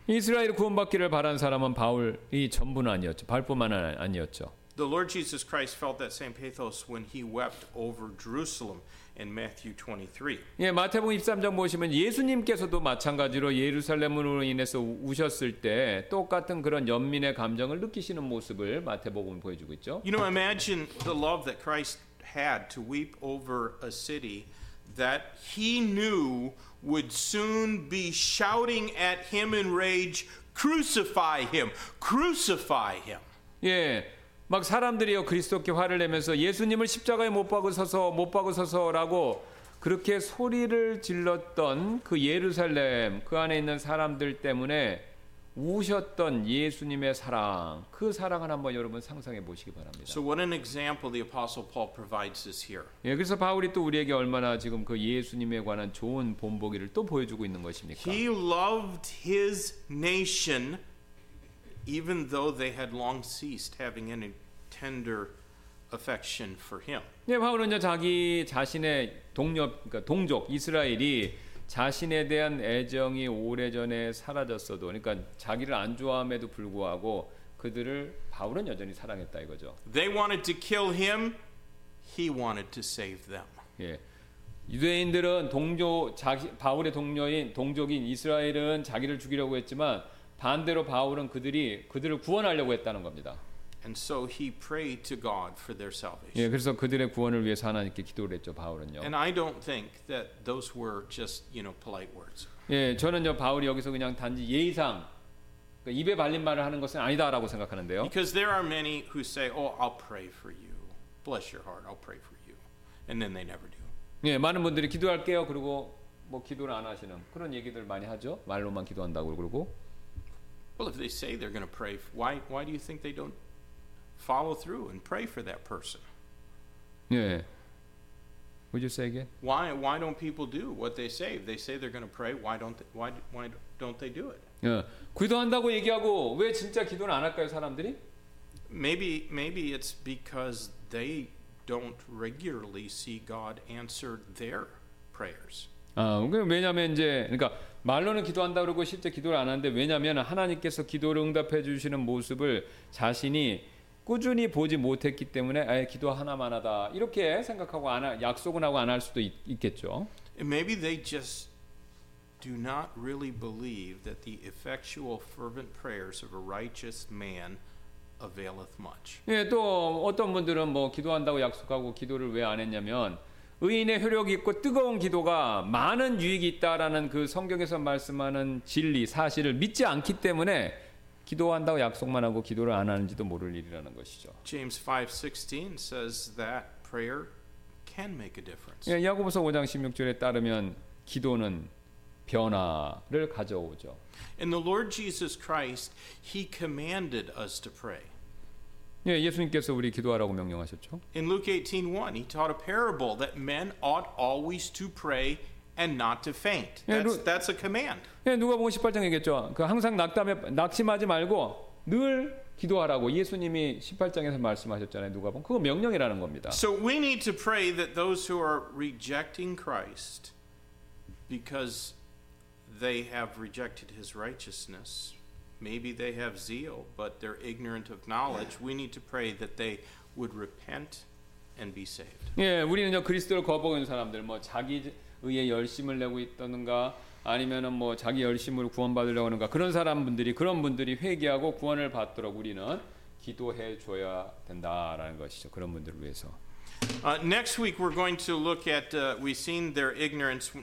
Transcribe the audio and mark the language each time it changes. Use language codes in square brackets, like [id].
[ko] 이스라엘 구원받기를 바란 사람은 바울이 전부는 아니었죠. 바울뿐만 아니었죠. [en] The Lord Jesus Christ felt that same pathos when he wept over Jerusalem in Matthew 23. [ko] 예, 마태복음 23장 보시면 예수님께서도 마찬가지로 예루살렘으로 인해서 우셨을 때 똑같은 그런 연민의 감정을 느끼시는 모습을 마태복음 보여주고 있죠. [en] You know, imagine the love that Christ had to weep over a city that he knew would soon be shouting at him in rage, crucify him, crucify him. [ko] 예. 막 사람들이요 그리스도께 화를 내면서 예수님을 십자가에 못 박으소서 못 박으소서라고 그렇게 소리를 질렀던 그 예루살렘 그 안에 있는 사람들 때문에 우셨던 예수님의 사랑 그 사랑을 한번 여러분 상상해 보시기 바랍니다. [en] So what an example the apostle Paul provides us here. [ko] 예, 그래서 바울이 또 우리에게 얼마나 지금 그 예수님에 관한 좋은 본보기를 또 보여주고 있는 것입니까? [en] He loved his nation even though they had long ceased having any tender affection for him. [ko] 네, 바울은요 자기 자신의 동역 그러니까 동족 이스라엘이 자신에 대한 애정이 오래전에 사라졌어도 그러니까 자기를 안 좋아함에도 불구하고 그들을 바울은 여전히 사랑했다 이거죠. [en] They wanted to kill him. He wanted to save them. [ko] 예. 유대인들은 동족 자기 바울의 동료인 동족인 이스라엘은 자기를 죽이려고 했지만 반대로 바울은 그들이 그들을 구원하려고 했다는 겁니다. [en] And so he prayed to God for their salvation. [ko] 예, 그래서 그들의 구원을 위해서 하나님께 기도를 했죠, 바울은요. [en] And I don't think that those were just, you know, polite words. [ko] 예, 저는요, 바울이 여기서 그냥 단지 예의상 그러니까 입에 발린 말을 하는 것은 아니다라고 생각하는데요. [en] Because there are many who say, "Oh, I'll pray for you. Bless your heart. I'll pray for you." And then they never do. [ko] 예, 많은 분들이 기도할게요. 그리고 뭐 기도를 안 하시는 그런 얘기들 많이 하죠. 말로만 기도한다고 그러고. [en] Well, if they say they're going to pray, why do you think they don't follow through and pray for that person? Yeah. Would you say again? Why don't people do what they say? If they say they're going to pray, why don't they do it? Yeah. [ko] 기도한다고 얘기하고 왜 진짜 기도는 안 할까요, 사람들이? [en] Maybe it's because they don't regularly see God answer their prayers. [ko] 아, 왜냐면 이제 그러니까 말로는 기도한다 그러고 실제 기도를 안 하는데 왜냐면 하나님께서 기도를 응답해 주시는 모습을 자신이 꾸준히 보지 못했기 때문에 아예 기도 하나만 하다 이렇게 생각하고 안 할, 약속은 하고 안 할 수도 있겠죠. [en] Maybe they just do not really believe that the effectual fervent prayers of a righteous man availeth much. [ko] 예, 또 어떤 분들은 뭐 기도한다고 약속하고 기도를 왜 안 했냐면 의인의 효력이 있고 뜨거운 기도가 많은 유익이 있다라는 그 성경에서 말씀하는 진리 사실을 믿지 않기 때문에 기도한다고 약속만 하고 기도를 안 하는지도 모를 일이라는 것이죠. [en] James 5:16 says that prayer can make a difference. [ko] 예, 야고보서 5장 16절에 따르면 기도는 변화를 가져오죠. [en] And the Lord Jesus Christ, he commanded us to pray. [ko] 예, 예수님께서 우리 기도하라고 명령하셨죠. [en] In Luke 18:1, he taught a parable that men ought always to pray and not to faint. That's a command. [ko] 예, 누가복음 18장 얘기했죠. 그 항상 낙심하지 말고 늘 기도하라고 예수님이 18장에서 말씀하셨잖아요. 누가복음. 그거 명령이라는 겁니다. [en] So we need to pray that those who are rejecting Christ because they have rejected his righteousness. Maybe they have zeal, but they're ignorant of knowledge. We need to pray that they would repent and be saved. [ko] 예, 우리는요 그리스도를 거부하는 사람들, 뭐 자기 의에 열심을 내고 있던가, 아니면은 뭐 자기 열심으로 구원받으려고 하는가 그런 사람분들이 그런 분들이 회개하고 구원을 받도록 우리는 기도해 줘야 된다라는 것이죠. 그런 분들을 위해서. [en] Next week we're going to look at we've seen their ignorance.